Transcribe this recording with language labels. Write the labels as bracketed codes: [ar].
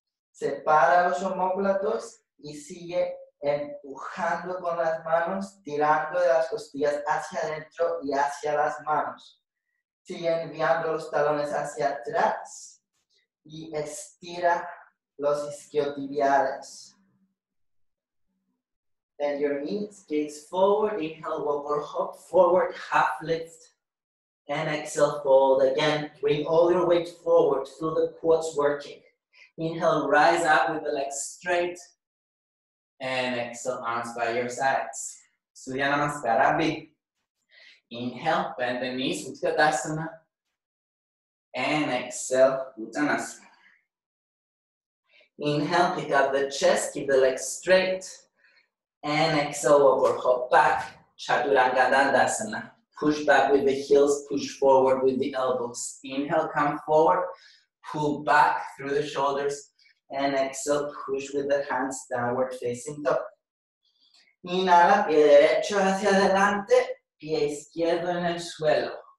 [es] Separa los omóplatos y sigue empujando con las manos, tirando de las costillas hacia adentro y hacia las manos. Sigue enviando los talones hacia atrás y estira los isquiotibiales. [en] Bend your knees, gaze forward, inhale, walk or hop forward, half lift, and exhale, fold again. Bring all your weight forward, feel the quads working. Inhale, rise up with the legs straight, and exhale, arms by your sides. Surya Namaskara B. Inhale, bend the knees, Utkatasana, and exhale, Uttanasana. Inhale, pick up the chest, keep the legs straight. And exhale, walk or hop back, Chaturanga Dandasana. Push back with the heels, push forward with the elbows. Inhale, come forward, pull back through the shoulders. And exhale, push with the hands downward facing dog. [es] Inhala, pie derecho hacia adelante, pie izquierdo en el suelo.